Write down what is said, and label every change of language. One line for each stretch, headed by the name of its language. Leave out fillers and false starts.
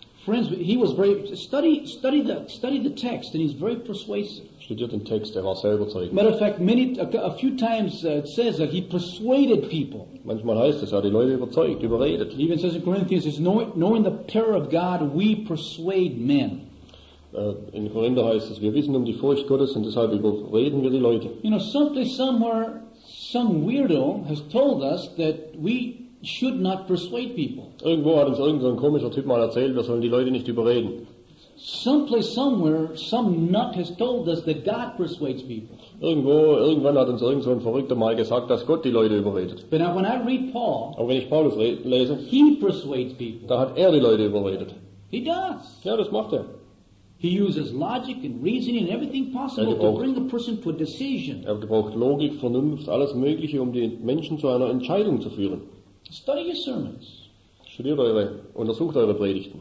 English: Friends, he was very study the text, and he's very persuasive.
German: Studiert den Text, er war sehr überzeugend.
English: Matter of fact, a few times it says that he persuaded people.
German: Manchmal heißt es, er hat die Leute überzeugt, überredet.
English: He even says in Corinthians, it's knowing the power of God, we persuade men.
German: In Korinther heißt es, wir wissen um die Furcht Gottes und deshalb überreden wir die Leute.
English: You know, someplace, somewhere, some weirdo has told us that we should not persuade people.
German: Irgendwo hat uns irgendein komischer Typ mal erzählt, wir sollen die Leute nicht überreden.
English: Someplace, somewhere, some nut has told us that God persuades people.
German: Irgendwo, irgendwann hat uns irgendein Verrückter mal gesagt, dass Gott die Leute überredet.
English: But now, when I read Paul,
German: aber wenn ich Paulus lese,
English: he persuades people.
German: Da hat er die Leute überredet.
English: He does.
German: Ja, das macht er.
English: He uses logic and reasoning and everything possible to bring the person to a decision.
German: Er gebraucht Logik, Vernunft, alles Mögliche, um die Menschen zu einer Entscheidung zu führen.
English: Study your sermons.
German: Studiert eure, untersucht eure Predigten.